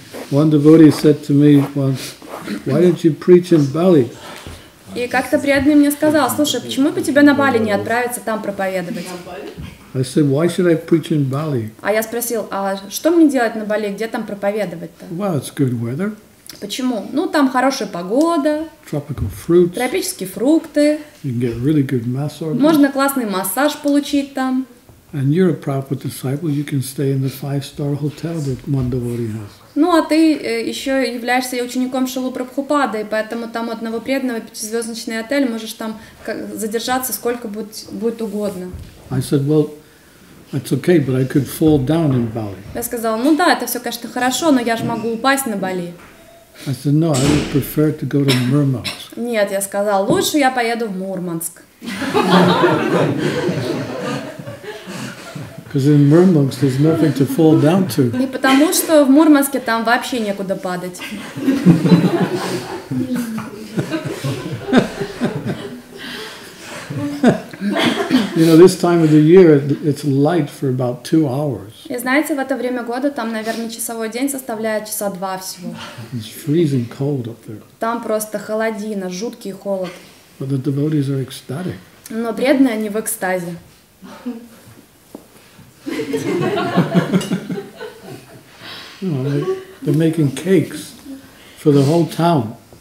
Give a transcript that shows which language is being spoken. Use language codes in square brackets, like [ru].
[en] One devotee said to me once, "Why don't you preach in Bali?" [ru] И как-то преданный мне сказал: "Слушай, почему бы тебе на Бали не отправиться там проповедовать?" [en] I said, "Why should I preach in Bali?" [ru] А я спросил: "А что мне делать на Бали? Где там проповедовать-то?" [en] Well, it's good weather. [ru] Почему? Ну, там хорошая погода. [en] Tropical fruits. [ru] Тропические фрукты. [en] You can get really good massage. [ru] Можно классный массаж получить там. [en] And you're a proper disciple. You can stay in the 5-star hotel that one devotee has. [ru] Ну, а ты еще являешься учеником Шрилы Прабхупады, и поэтому там одного преданного 5-звездочный отель можешь там задержаться сколько будет угодно. [en] I said, "Well, it's okay, but I could fall down in Bali." [ru] Я сказал: "Ну да, это все, конечно, хорошо, но я же могу упасть на Бали." [en] I said, "No, I would prefer to go to Murmansk." [ru] Нет, я сказал: "Лучше я поеду в Мурманск." [en] Because in Murmansk there's nothing to fall down to. [ru] И потому что в Мурманске там вообще некуда падать. [en] You know, this time of the year it's light for about 2 hours. [ru] И знаете, в это время года там, наверное, часовой день составляет часа 2 всего. [en] It's freezing cold up there. [ru] Там просто холодина, жуткий холод. [en] But the devotees are ecstatic. [ru] Но преданные они в экстазе. [en] You know, they're making cakes for the whole town.